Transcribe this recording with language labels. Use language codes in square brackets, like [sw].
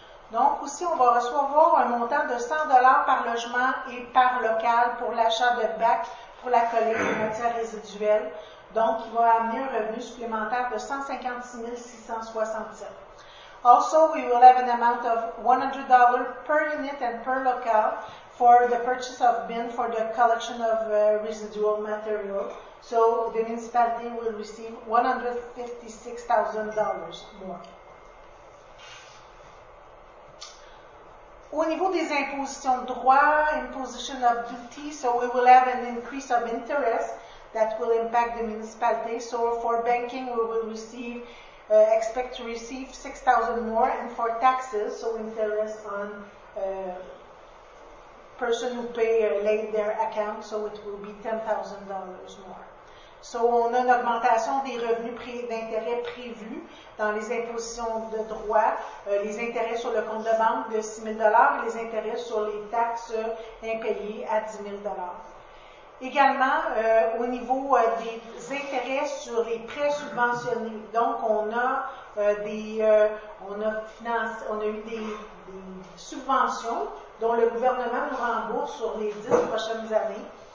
[fr] Donc, aussi, on va recevoir un montant de $100 par logement et par local pour l'achat de bacs pour la collecte des matières résiduelles. Donc, il va amener un revenu supplémentaire de $156,667. [en] Also, we will have an amount of $100 per unit and per locale for the purchase of bin for the collection of residual material. So, the municipality will receive $156,000 more. [fr] Au niveau des impositions de droits, [en] imposition of duty, so we will have an increase of interest that will impact the municipality. So, for banking, we will receive expect to receive $6,000 more, and for taxes, so interest on person who pay late their account, so it will be $10,000 more. [fr] So on a une augmentation des revenus d'intérêt prévus dans les impositions de droit, les intérêts sur le compte de banque de $6,000 et les intérêts sur les taxes impayées à $10,000. Également, au niveau des intérêts sur les prêts subventionnés, donc on a eu des subventions dont le gouvernement nous rembourse sur les 10 prochaines années.